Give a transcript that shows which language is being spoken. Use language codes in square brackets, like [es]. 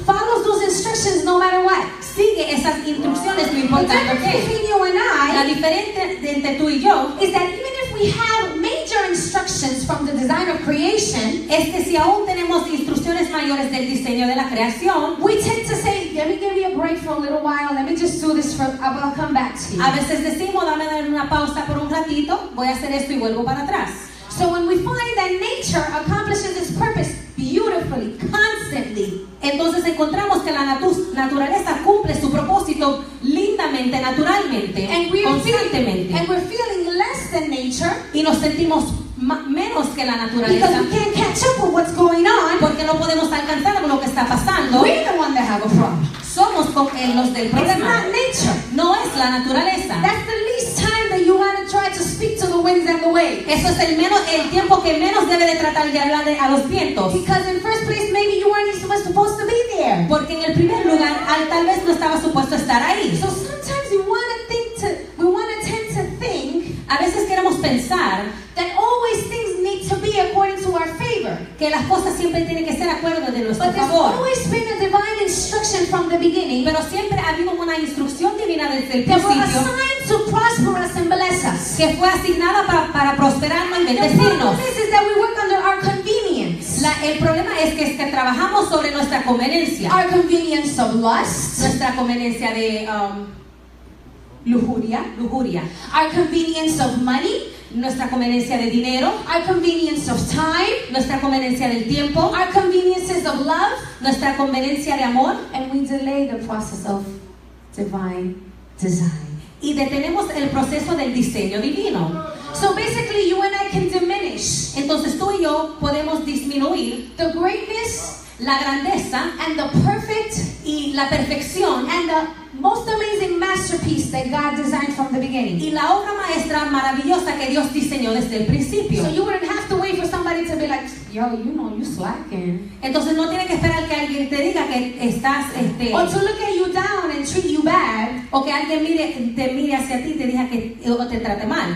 [en] follows those instructions no matter what. [es] Sigue esas instrucciones no importa lo que. La diferencia entre tú y yo es que [en] even if we have major instructions from the design of creation, [es] es que si aún tenemos instrucciones mayores del diseño de la creación, [en] we tend to say, let me give you a break for a little while, let me just do this for, I'll come back to you. [es] A veces decimos, dame una pausa por un ratito, voy a hacer esto y vuelvo para atrás. [en] So when we find that nature accomplishes its purpose beautifully, constantly, [es] entonces encontramos que la naturaleza cumple su propósito lindamente, naturalmente, constantemente. [en] And we're feeling less than nature. [es] Y nos sentimos menos que la naturaleza. [en] Because we can't catch up with what's going on. [es] Porque no podemos alcanzar lo que está pasando. [en] We're the one that have a problem. [es] Somos con los del problema. [en] It's not nature. [es] No es la naturaleza. [en] That's the least time that you want to try to speak to the winds and the waves. [es] Eso es el tiempo que menos debe de tratar de hablar a los vientos. [en] Because in first place, maybe you weren't even supposed to be there. [es] Porque en el primer lugar, tal vez no estaba supuesto estar ahí. [en] So sometimes we want to tend to think. [es] A veces queremos pensar [en] that always things need to be according to our favor. [es] Que las cosas siempre tienen que ser acuerdo de nuestro favor. [en] But there's always been a divine instruction from the beginning. [es] Pero siempre ha habido una instrucción divina desde el principio. [en] That were assigned to prosper us and bless us. [es] Que fue asignada para prosperarnos y bendecirnos. [en] The problem is that we work under our convenience. [es] El problema es que trabajamos sobre nuestra conveniencia. [en] Our convenience of lust. [es] Nuestra conveniencia de lujuria. [en] Our convenience of money. [es] Nuestra conveniencia de dinero. [en] Our convenience of time. [es] Nuestra conveniencia del tiempo. [en] Our conveniences of love. [es] Nuestra conveniencia de amor. [en] And we delay the process of divine design. [es] Y detenemos el proceso del diseño divino. [en] So basically you and I can diminish. [es] Entonces tú y yo podemos disminuir [en] the greatness, [es] la grandeza, [en] and the perfect, [es] y la perfección, [en] and the most amazing masterpiece that God designed from the beginning. [es] Y la obra maestra maravillosa que Dios diseñó desde el principio. [en] So you wouldn't have to wait for somebody to be like, yo, you know, you're slacking. [es] Entonces no tienes que esperar que alguien te diga que estás [en] Or to look at you down and treat you bad. [es] O que alguien te mire hacia ti y te diga que o te trate mal.